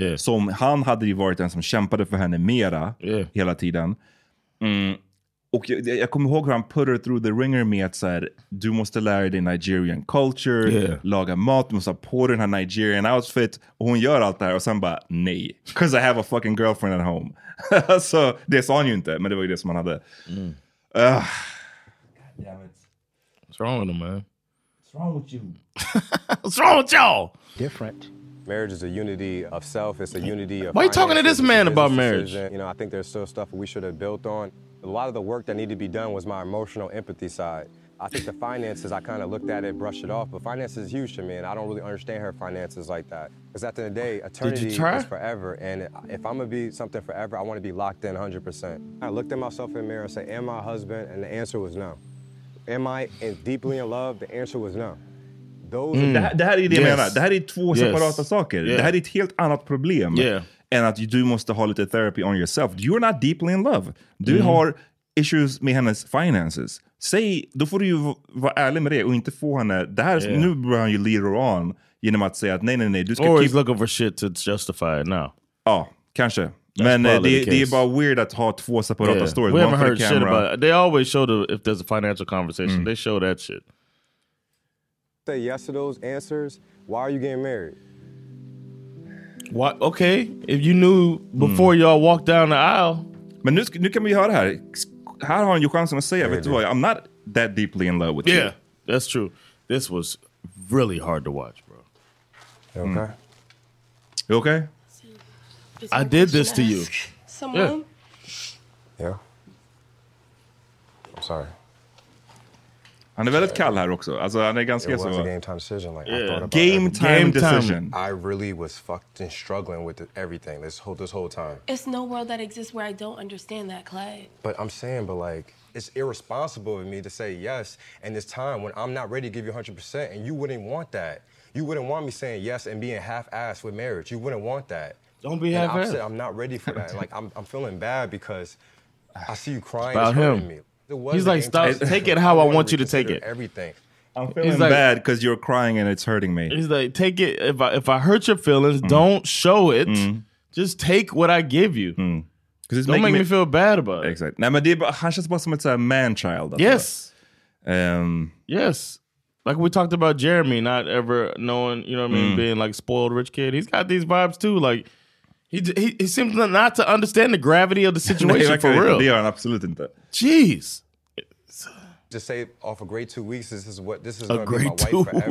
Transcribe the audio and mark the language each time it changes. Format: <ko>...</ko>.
<sv>Som han hade ju varit den som kämpade för henne mera hela tiden. Och jag kommer ihåg hur han</sv> <en>put her through the ringer</en> <sv>med att så här, du måste lära dig Nigerian culture, laga mat, du måste ha på dig den här Nigerian outfit. Och hon gör allt det här och sen bara, nej.</sv> <en>Because I have a fucking girlfriend at home. Så det sa han ju inte, men det var ju det som han hade. God damn it. What's wrong with him, man? What's wrong with you? What's wrong with y'all? Different. Marriage is a unity of self. It's a unity of. Why are you talking to this man about marriage? You know, I think there's still stuff we should have built on. A lot of the work that needed to be done was my emotional empathy side. I think the finances, I kind of looked at it, brushed it off. But finance is huge to me, and I don't really understand her finances like that. Because at the end of the day, eternity is forever. And if I'm going to be something forever, I want to be locked in 100%. I looked at myself in the mirror and said, am I a husband? And the answer was no. Am I deeply in love? The answer was no.</en> <sv>Det här är två separata saker. Yeah. Det här är ett helt annat problem än att du måste ha lite</sv> <en>therapy on yourself. You're not deeply in love.</en> <sv>Du har issues med hennes finances. Säg, då får du ju vara ärlig med det och inte få henne. Det här, nu börjar han ju</sv> <en>lead her on</en> <sv>genom att säga att nej. Du ska</sv> <en>or keep, he's looking for shit to justify it now.</en> <sv>Ja, kanske. That's men det är bara weird att ha två separata stories.</sv> <en>We haven't heard shit about it. They always show the, if there's a financial conversation, they show that shit. Say yes to those answers. Why are you getting married? Why? Okay, if you knew before y'all walked down the aisle.</en> <sv>Men nu kan vi höra det här. Här har han ju chansen att säga, vet du vad,</sv> <en>I'm not that deeply in love with you. Yeah, that's true. This was really hard to watch, bro. You okay? You okay? I did this to you. Someone? Yeah. Sorry.</en> <sv>Han är väldigt kall här också. Alltså han är ganska så.</sv> <en>Game time decision. Like, yeah. Game time decision. I really was fucked and struggling with everything this whole time. It's no world that exists where I don't understand that, Clay. But I'm saying, but like, it's irresponsible of me to say yes in this time when I'm not ready to give you 100% and you wouldn't want that. You wouldn't want me saying yes and being half-assed with marriage. You wouldn't want that. Don't be half-assed. I'm not ready for that. Like, I'm feeling bad because I see you crying. About him. He's like, stop. Take it how I want you to take it. Everything. I'm feeling like, bad because you're crying and it's hurting me. He's like, take it. If I hurt your feelings, don't show it. Mm. Just take what I give you. Mm. It's don't make me feel bad about exactly. it. Exactly.</en> <sv>Nej, men det är bara, han känns bara som ett man-child.</sv> <en>Yes. Yes. Like we talked about Jeremy not ever knowing, you know what I mean, being like spoiled rich kid. He's got these vibes too. Like he seems not to understand the gravity of the situation.</en> <sv>Nej,</sv> <en>for real. They are absolutely not. Jeez. Just say off a great 2 weeks, this is going to be my wife forever.</en>